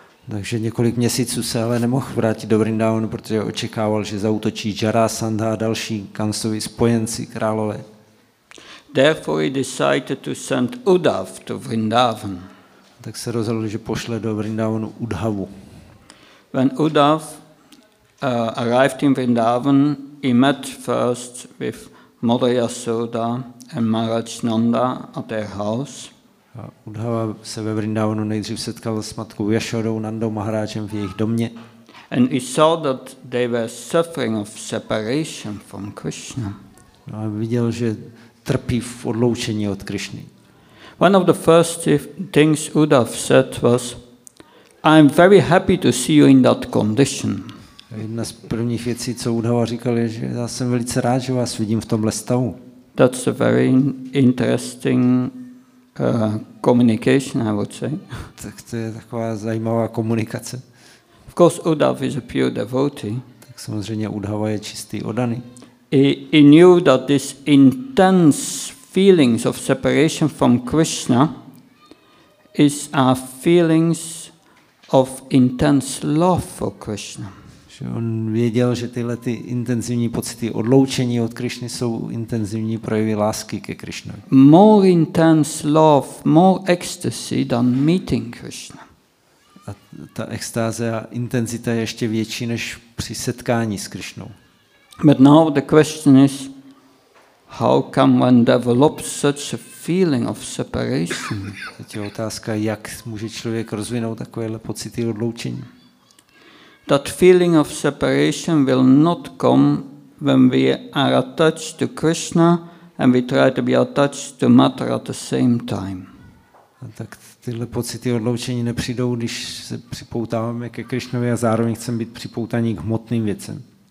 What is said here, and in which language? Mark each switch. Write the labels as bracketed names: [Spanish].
[Czech] Takže několik měsíců se ale nemohl vrátit do Vrindavan, protože očekával, že zaútočí Jarasandha a další Kamsovi spojenci králové. [English] Therefore, he decided to send Uddhav to Vrindavan. [Czech] Tak se rozhodl, že pošle do Vrindavanu Uddhavu. [English] When Uddhav arrived in Vrindavan, he met first with Mother Yasoda and Maharaj Nanda at their house. [Czech] A Uddhav se ve Vrindavanu nejdřív setkal s matkou Yashodou, Nandou, Maharajem v jejich domě. [English] And he saw that they were suffering of separation from Krishna. [Czech] No a viděl, že trpí v odloučení od Krišny. [English] One of the first things Uddhav said was, I'm very happy to see you in that condition. [Czech] Jedna z prvních věcí, co Uddhava říkal, je, že já jsem velice rád, že vás vidím v tomhle stavu. [English] That's a very interesting communication, I would say. [Czech] Tak to je taková zajímavá komunikace. [English] Of course, Uddhav is a pure devotee. [Czech] Tak samozřejmě Uddhava je čistý oddaný. [English] He knew that this intense feelings of separation from Krishna is a feelings of intense love for Krishna. [Czech] Že on věděl, že tyhle ty intenzivní pocity odloučení od Krishny jsou intenzivní projevy lásky ke Krishnovi. [English] More intense love, more ecstasy than meeting Krishna. [Czech] A ta extáze a intenzita je ještě větší než při setkání s Krishnou. [English] But now the question is, how come one develops such a feeling of separation? [Czech] Teď je otázka, jak může člověk rozvinout takovéhle pocity odloučení. [English] That feeling of separation will not come when we are attached to Krishna and we try to be attached to matter at the same time. [Czech] A tak tyhle pocity odloučení nepřijdou, když se připoutáváme ke Krishnovi a zároveň chceme být připoutaní k hmotným věcem.